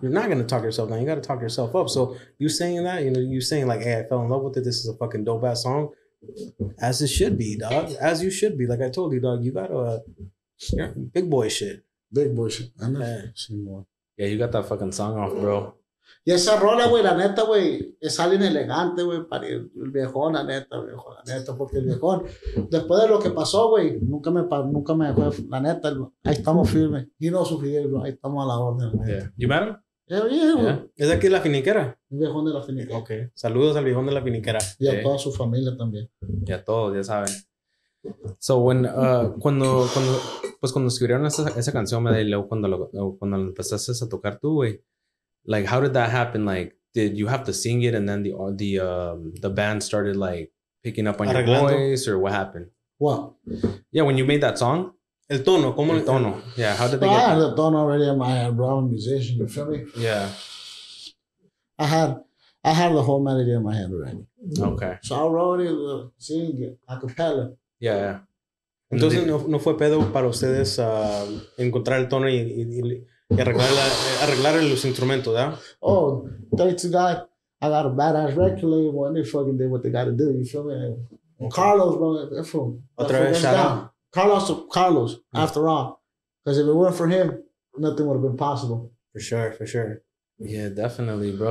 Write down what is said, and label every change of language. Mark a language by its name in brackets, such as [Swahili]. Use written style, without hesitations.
[English] You're not going to talk yourself down. You got to talk yourself up. So you saying that, you know, you saying like, hey, I fell in love with it. This is a fucking dope ass song. As it should be, dog. As you should be. Like I told you, dog, you got a big boy shit. Big boy shit. I'm not saying more. Yeah, you got that fucking song off, bro. [Spanish] Y esa rola, güey, la neta, güey, es alguien elegante, güey, para el viejón, la neta, porque el viejón, después de lo que pasó, güey, nunca me dejó, la neta, ahí estamos firmes. Y no sufrir, bro, ahí estamos a la orden. [English] Yeah. ¿You met him? Yeah. [Spanish] ¿Es aquí la finiquera? El viejón de la finiquera. Ok, saludos al viejón de la finiquera. Y a toda su familia también. Y a todos, ya saben. [English] So when [Spanish] cuando escribieron esa canción me dijo cuando empezaste a tocar tú, güey, [English] like how did that happen? Like did you have to sing it and then the band started like picking up on arreglando. Your voice or what happened? What? Yeah, when you made that song, [Spanish] el tono, cómo el tono. [English] Yeah, how did they get? I had the tono already in my head, bro. I'm a musician, you feel me? Yeah, I had the whole melody in my head already. Okay, so I wrote it, sing it a cappella. Yeah, yeah. [Spanish] Entonces no fue pedo para ustedes encontrar el tono y arreglar los instrumentos, ¿verdad? [English] Oh, thanks to God, I got a badass record label and they fucking did what they got to do, you feel me? Carlos, bro, Carlos, yeah. After all, because if it weren't for him, nothing would have been possible. For sure. Yeah, definitely, bro.